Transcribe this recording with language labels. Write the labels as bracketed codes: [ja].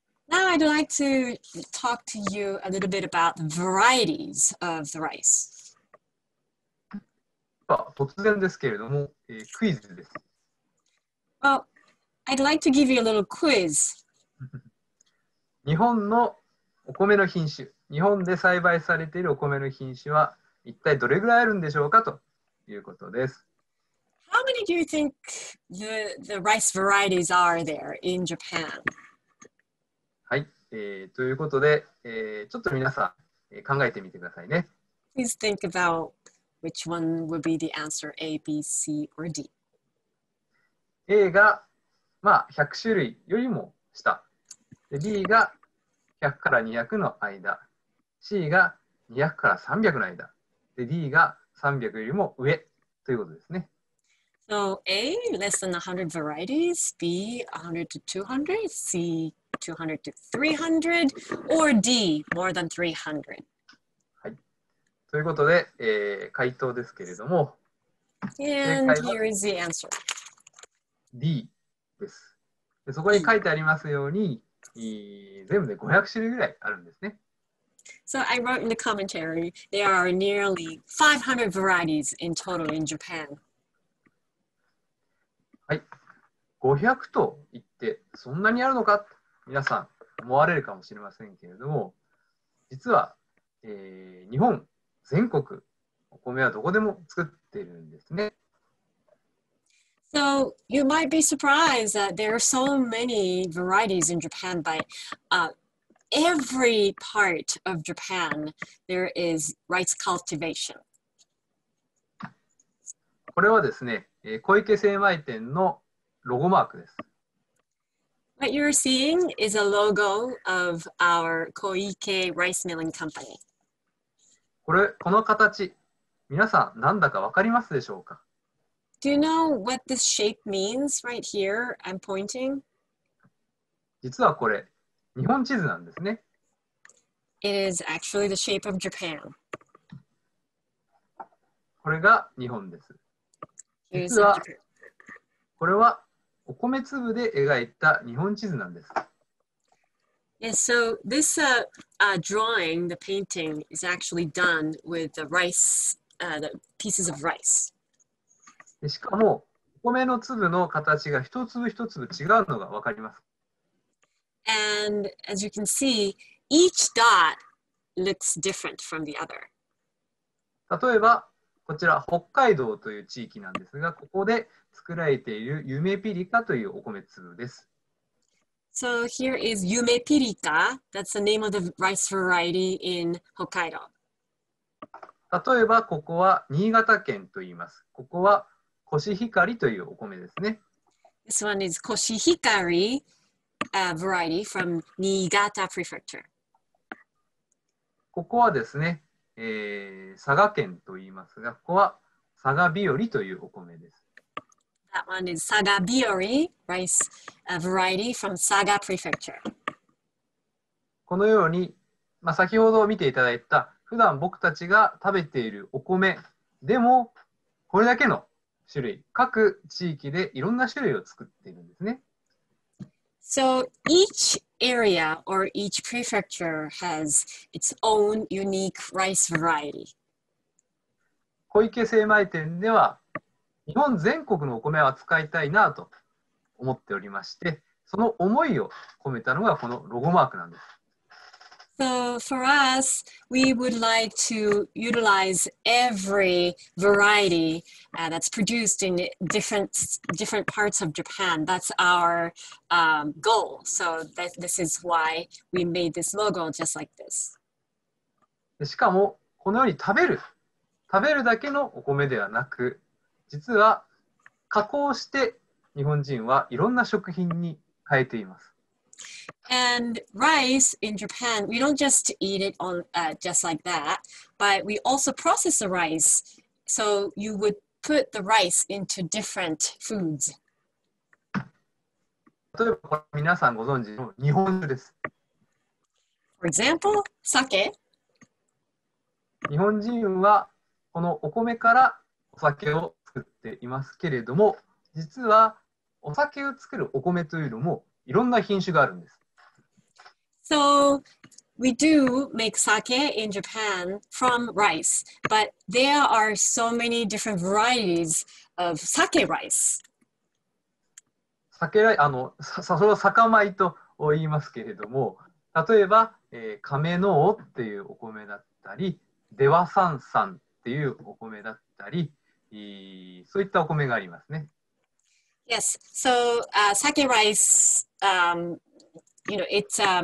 [en] Now I'd like to talk to you a little bit about the varieties of the rice. [ja] 突然ですけれども、クイズです。 [en] Well, I'd like to give you a little quiz. [ja] 日本のお米の品種、日本で栽培されているお米の品種は一体どれぐらいあるんでしょうかということです。 [en] How many do you think the rice varieties are there in Japan? [ja] はい、ということで、ちょっと皆さん、考えてみてくださいね。 [en] Please think about which one would be the answer A, B, C, or D. [ja] A が、まあ、100種類よりも下。で、B が 100から200の間、C が200から300の間、で D が300よりも上ということですね。 [en] So A less than 100 varieties, B 100 to 200, C 200 to 300, or D more than 300. [ja] はい。ということで、回答ですけれども、 [en] And here is the answer. [ja] D です。で、そこに書いてありますように、全部で500種類ぐらいあるんですね。 [en] So I wrote in the commentary, there are nearly 500 varieties in total in Japan. [ja] はい。 500と言って、そんなにあるのか？皆さん思われるかもしれませんけれども、実は、日本全国、お米はどこでも作っているんですね。 [en] So, you might be surprised that there are so many varieties in Japan, but every part of Japan, there is rice cultivation. [ja] これはですね、小池精米店のロゴマークです。 [en] What you're seeing is a logo of our Koike Rice Milling Company. [ja] これ、この形、皆さん何だか分かりますでしょうか？ [en] Do you know what this shape means right here? I'm pointing. [ja] 実はこれ、日本地図なんですね。 [en] It is actually the shape of Japan. [ja] これが日本です。実は、これはお米粒で描いた日本地図なんです。 [en] Yes, so this drawing, the painting, is actually done with the rice, the pieces of rice. [ja] しかも、お米の粒の形が一粒一粒違うのが分かります。 [en] And as you can see, each dot looks different from the other. [ja] 例えば、こちら北海道という地域なんですが、ここで作られているユメピリカというお米粒です。 [en] So here is ユメピリカ. That's the name of the rice variety in Hokkaido. [ja] 例えば、ここは新潟県といいます。ここはコシヒカリというお米ですね。 [en] This one is コシヒカリ variety from Niigata Prefecture. [ja] ここはですね、佐賀県と言いますが、ここは佐賀日和というお米です。 [en] That one is 佐賀日和 rice variety from 佐賀 Prefecture. [ja] このように、まあ、先ほど見ていただいた普段僕たちが食べているお米でもこれだけの種類、各地域でいろんな種類を作っているんですね。 [en] So each area or each prefecture has its own unique rice variety. [ja] 小池精米店では日本全国のお米を扱いたいなと思っておりまして、その思いを込めたのがこのロゴマークなんです。 [en] So for us, we would like to utilize every variety that's produced in different parts of Japan. That's our goal. So this is why we made this logo just like this. [ja] しかもこのように食べるだけのお米ではなく、実は加工して日本人はいろんな食品に変えています。 [en] And rice in Japan, we don't just eat it on just like that, but we also process the rice. So you would put the rice into different foods. [ja] 例えば、これ皆さんご存知の日本酒です。 [en] For example, sake. [ja] 日本人はこのお米からお酒を作っていますけれども、実はお酒を作るお米というのもいろんな品種があるんです。 [en] So, we do make sake in Japan from rice, but there are so many different varieties of sake rice. [ja] Sake rice, それを酒米と言いますけれども、例えば、亀の尾っていうお米だったり、出羽三山っていうお米だったり、そういったお米がありますね。 [en] Yes, so sake rice, you know, it's